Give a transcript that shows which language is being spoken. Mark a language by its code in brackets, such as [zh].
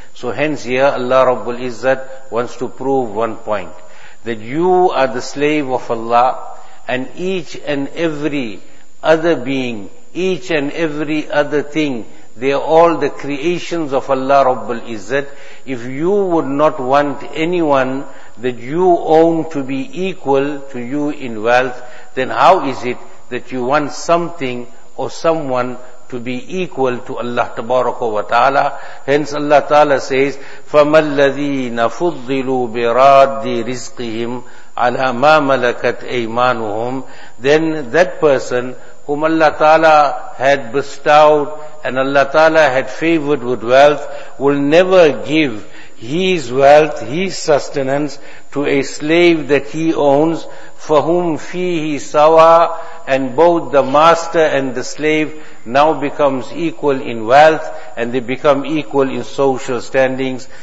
[en] So hence here Allah Rabbul Izzat wants to prove one point, that you are the slave of Allah, and each and every other being, each and every other thing, they are all the creations of Allah Rabbul Izzat. If you would not want anyone that you own to be equal to you in wealth, then how is it that you want something or someone to be equal to Allah Tabaraka wa Ta'ala? Hence Allah Ta'ala says, [ar] فَمَا الَّذِينَ فُضِّلُوا بِرَادِّ رِزْقِهِمْ عَلَى مَا مَلَكَتْ أَيْمَانُهُمْ. [en] Then that person whom Allah Ta'ala had bestowed and Allah Ta'ala had favored with wealth will never give his wealth, his sustenance, to a slave that he owns, for whom fihi sawa, and both the master and the slave now becomes equal in wealth, and they become equal in social standings.